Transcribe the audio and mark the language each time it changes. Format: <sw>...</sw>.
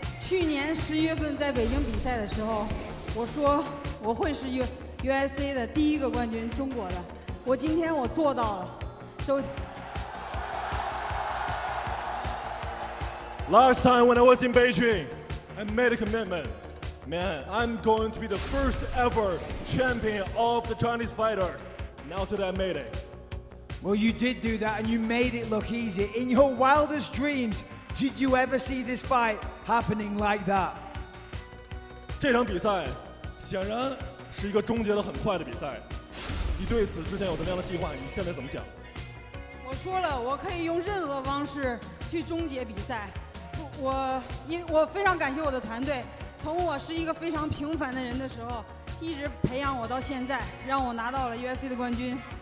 <zh>去年十一月份在北京比赛的时候，我说我会是UFC的第一个冠军，中国的。我今天我做到了。</zh> <en>Last time when I was in Beijing, I made a commitment. Man, I'm going to be the first ever champion of the Chinese fighters. Now today I made it. Well, you did do that, and you made it look easy. In your wildest dreams, did you ever see this fight happening like that?</en> <zh>这场比赛显然是一个终结得很快的比赛。你对此之前有什么样的计划？你现在怎么想？我说了，我可以用任何方式去终结比赛。我非常感谢我的团队，从我是一个非常平凡的人的时候，一直培养我到现在，让我拿到了 UFC 的冠军。</zh>